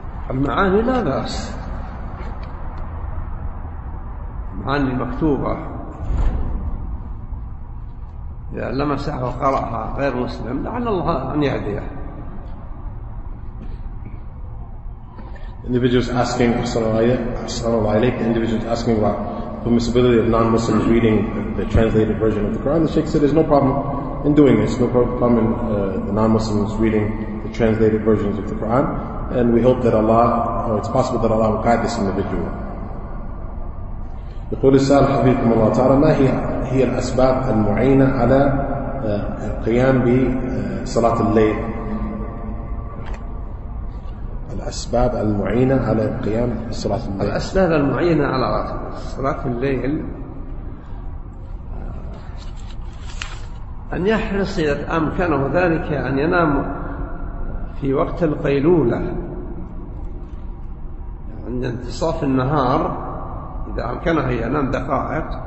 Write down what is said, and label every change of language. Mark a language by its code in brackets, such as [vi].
[ar] المعاني لا بأس، معاني مكتوبة إذا لمسها وقرأها غير مسلم لعل الله أن يهديه. [en] individuals asking, asking about permissibility of non-Muslims reading the translated version of the Quran. The Sheikh said, there's no problem in doing this, no problem in the non-Muslims reading the translated versions of the Quran. And we hope that Allah, or it's possible that Allah will guide this individual. [ar] يقول السائل حفظكم الله تعالى ما هي الأسباب المعينة على القيام بصلاة الليل الأسباب المعينة على القيام بصلاة الليل الأسباب المعينة على صلاة الليل أن يحرص إذا أمكنه ذلك أن ينام في وقت القيلولة عند انتصاف النهار إذا أمكنه ينام دقائق.